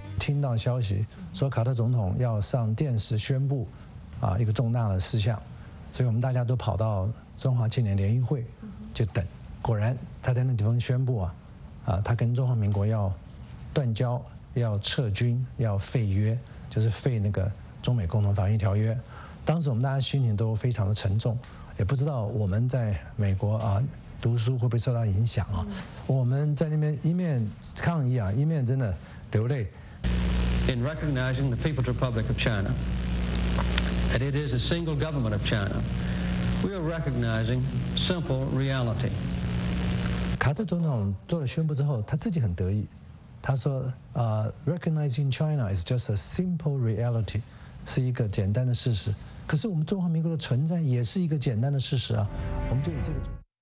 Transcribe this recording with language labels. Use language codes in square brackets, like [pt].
[zh] 听到消息说卡特总统要上电视宣布啊一个重大的事项，所以我们大家都跑到中华青年联谊会就等，果然他在那地方宣布啊他跟中华民国要断交，要撤军，要废约，就是废那个中美共同防御条约。当时我们大家心情都非常的沉重，也不知道我们在美国啊读书会不会受到影响啊。我们在那边一面抗议啊，一面真的流泪。 [en] In recognizing the People's Republic of China, that it is a single government of China, we are recognizing simple reality. [zh] 卡特总统做了宣布之后，他自己很得意，他说 [en] recognizing China is just a simple reality. [zh] 是一个简单的事实，可是我们中华民国的存在也是一个简单的事实啊，我们就有这个主。